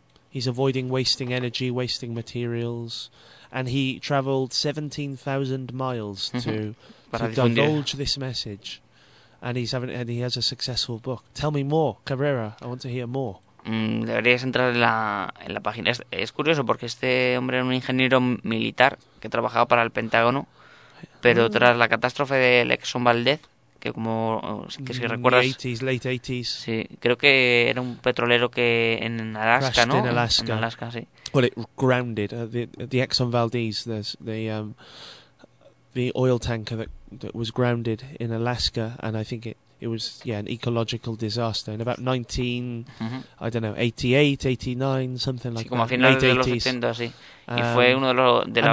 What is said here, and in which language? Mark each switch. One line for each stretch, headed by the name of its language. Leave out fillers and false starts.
English: He's avoiding wasting energy, wasting materials, and he traveled 17,000 miles to divulge this message. And he has a successful book. Tell me more, Cabrera. I want to hear more.
Spanish: deberías entrar en la página. Es curioso porque este hombre era un ingeniero militar que trabajaba para el Pentágono, pero tras la catástrofe del Exxon Valdez, que si recuerdas...
English: late 80s.
Spanish: Sí, creo que era un petrolero que en Alaska,
English: crashed,
Spanish: ¿no?
English: In Alaska.
Spanish: En Alaska, sí.
English: Well, it grounded. The Exxon Valdez, the oil tanker that was grounded in Alaska, and I think it was, yeah, an ecological disaster in about 19, uh-huh. I don't know, 88, 89, something like
Spanish: sí, Sí, como a finales de los 80, sí. Y fue uno de los...